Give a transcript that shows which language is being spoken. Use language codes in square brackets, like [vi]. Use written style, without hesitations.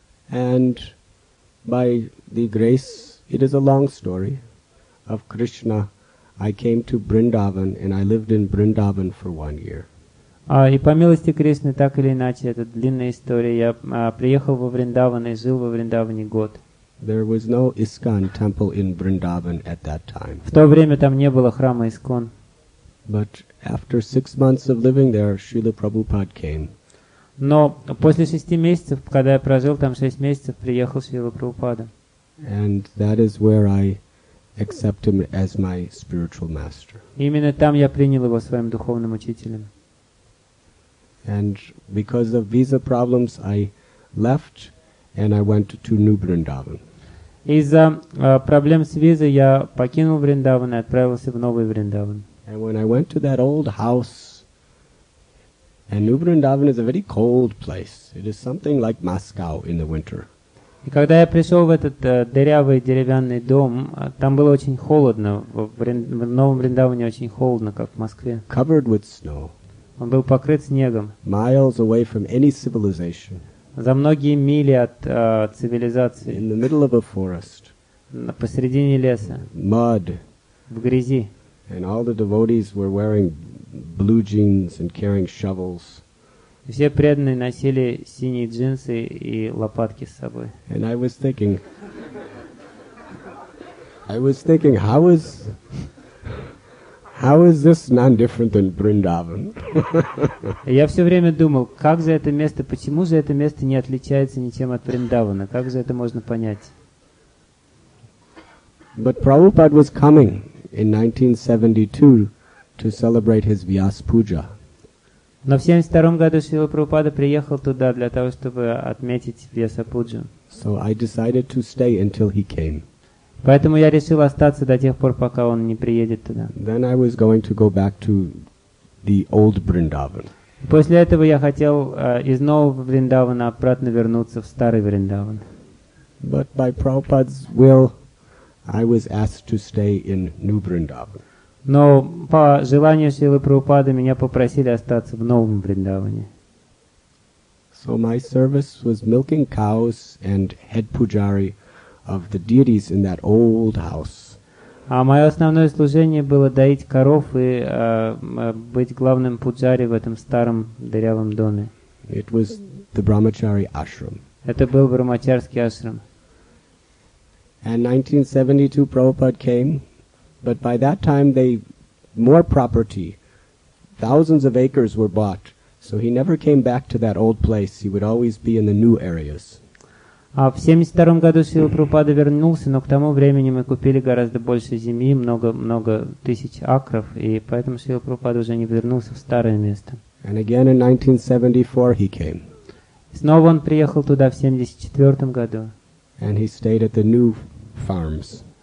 [en] And by the grace, it is a long story, of Krishna, I came to Vrindavan, and I lived in Vrindavan for 1 year. [ru] И по милости Кришны, так или иначе, это длинная история, я приехал во Вриндаван и жил во Вриндаване год. [en] There was no ISKCON temple in Vrindavan at that time. [ru] В то время там не было храма ISKCON. [en] But after 6 months of living there, Srila Prabhupada came. [ru] Но после 6 месяцев, когда я прожил там 6 месяцев, приехал Шрила Прабхупада. [en] And that is where I accept him as my spiritual master. [ru] Именно там я принял его своим духовным учителем. [en] And because of visa problems, I left and I went to New Vrindavan. [ru] Из-за проблем с визой я покинул Вриндаван и отправился в Новый Вриндаван. [en] And when I went to that old house, and New Vrindavan is a very cold place. It is something like Moscow in the winter. [ru] И когда я пришел в этот дырявый деревянный дом, там было очень холодно. В Новом Вриндаване очень холодно, как в Москве. [en] Covered with snow. [ru] Он был покрыт снегом. [en] Miles away from any civilization. [ru] За многие мили от цивилизации. [en] In the middle of a forest. [ru] Посредине леса. [en] Mud. [ru] В грязи. [en] And all the devotees were wearing blue jeans and carrying shovels. [ru] Все преданные носили синие джинсы и лопатки с собой. [en] And I was thinking, how is this non-different than Vrindavan? [ru] Я все время думал, как же это место, почему же это место не отличается ничем от Вриндавана? Как же это можно понять? [en] But Prabhupada was coming in 1972 to celebrate his Vyas Puja. [ru] Но в 72-м году Шрила Прабхупада приехал туда для того, чтобы отметить Вьяса Пуджу. [en] So I decided to stay until he came. [ru] Поэтому я решил остаться до тех пор, пока он не приедет туда. [en] Then I was going to go back to the old Vrindavan. [ru] После этого я хотел из нового Вриндавана обратно вернуться в старый Вриндаван. [en] But by Prabhupada's will, I was asked to stay in New Vrindavan. [ru] Но по желанию Шрилы Прабхупады меня попросили остаться в Новом Вриндаване. [en] So my service was milking cows and head pujari of the deities in that old house. [ru] А мое основное служение было доить коров и быть главным пуджари в этом старом дырявом доме. [en] It was the brahmachari ashram. [ru] Это был брахмачарский ашрам. [en] And 1972 Prabhupada came. But by that time, more property, thousands of acres were bought. So he never came back to that old place. He would always be in the new areas. [ru] В 72-м году Шрила Прабхупада вернулся, но к тому времени мы купили гораздо больше земли, много тысяч акров, и поэтому Шрила Прабхупада уже не вернулся в старое место. [en] And again in 1974 he came. [ru] Снова он приехал туда в 74-м году. [en] And he stayed at the new farms.